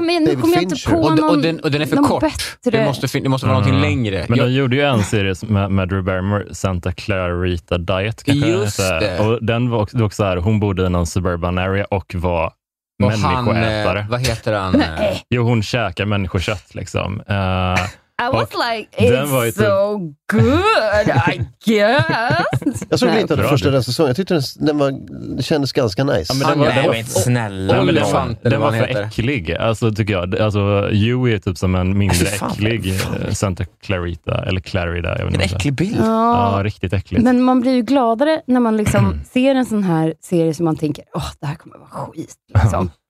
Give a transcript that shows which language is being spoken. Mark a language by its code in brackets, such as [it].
[sv] ju, men nu kommer jag inte på någon. Och den är för kort. Bättre. Det måste vara någonting längre. Men jag gjorde ju en serie med Drew Barrymore, Santa Clarita Diet kanske. Just det. Och den var också här, hon bodde i någon suburban area och var människoätare. Vad heter han? Jo, hon käkar människokött liksom. [en] I was like, it's so good, I guess. [sv] Jag såg inte att den första säsongen. Jag tyckte den kändes ganska nice. Ja, men den var inte snäll. Oh, den var för äcklig. Alltså, tycker jag. Alltså, you är typ som en mindre äcklig Santa Clarita. Eller Clarida. En äcklig bild. Ja, riktigt äckligt. Men man blir ju gladare när man liksom ser en sån här serie som man tänker, åh, det här kommer vara skit. Liksom.